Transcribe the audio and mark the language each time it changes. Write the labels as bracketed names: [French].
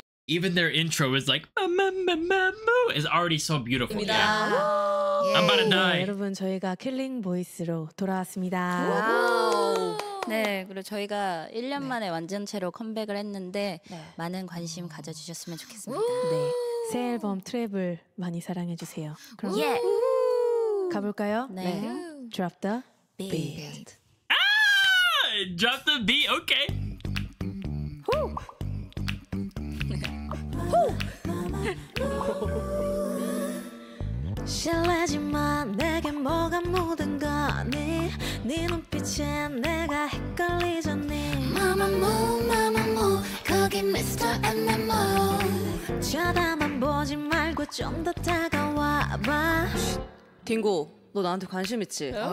[English] Even their intro is like, is already so beautiful. Yeah. I'm about to die. [Korean] Killing voice로 돌아왔습니다. 네, 그리고 저희가 1년 네. 만에 완전체로 컴백을 했는데 네. 많은 관심 가져주셨으면 좋겠습니다. 네, 새 앨범 트래블 많이 사랑해주세요. 그럼 예. 가볼까요? 네. 네. [English] Drop the beat. 아! Drop the beat, okay. [Korean] 실례지만 내게 뭐가 모든 거니 네 눈빛에 내가 헷갈리잖니 Mamamoo, Mamamoo 거기 Mr. MMO 쳐다만 보지 말고 좀 더 다가와봐 딩고, 너 나한테 관심 있지?